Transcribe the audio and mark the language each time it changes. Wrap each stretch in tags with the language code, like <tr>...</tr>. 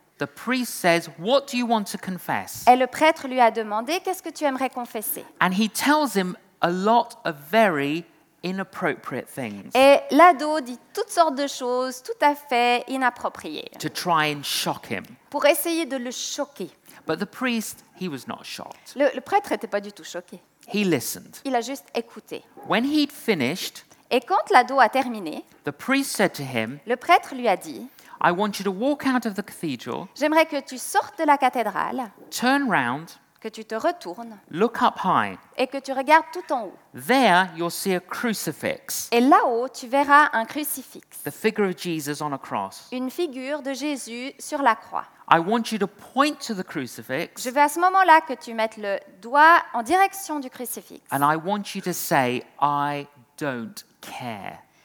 <en>The priest says, "What do you want to confess?"</en> <fr>Et le prêtre lui a demandé, "Qu'est-ce que tu aimerais confesser?"</fr> <en>And he tells him a lot of very inappropriate things.</en> <fr>Et l'ado dit toutes sortes de choses tout à fait inappropriées.</fr> <en>To try and shock him.</en> <fr>Pour essayer de le choquer.</fr> <en>But the priest, he was not shocked.</en> <fr>Le prêtre n'était pas du tout choqué.</fr> <en>He listened.</en> <fr>Il a juste écouté.</fr> <en>When he'd finished,</en> <fr>et quand l'ado a terminé,</fr> <en>the priest said to him,</en> <fr>le prêtre lui a dit,</fr> <en>"I want you to walk out of the cathedral."</en> <fr>J'aimerais que tu sortes de la cathédrale.</fr> <en>Turn round.</en> <fr>que tu te retournes.</fr> <en>Look up high.</en> <fr>Et que tu regardes tout en haut.</fr> <en>There, you'll see a crucifix.</en> <fr>Et là-haut, tu verras un crucifix.</fr> <en>The figure of Jesus on a cross.</en> <fr>Une figure de Jésus sur la croix.</fr> <en>I want you to point to the crucifix.</en> <fr>Je veux à ce moment-là que tu mettes le doigt en direction du crucifix.</fr> <en>And I want you to say, I don't care.</en>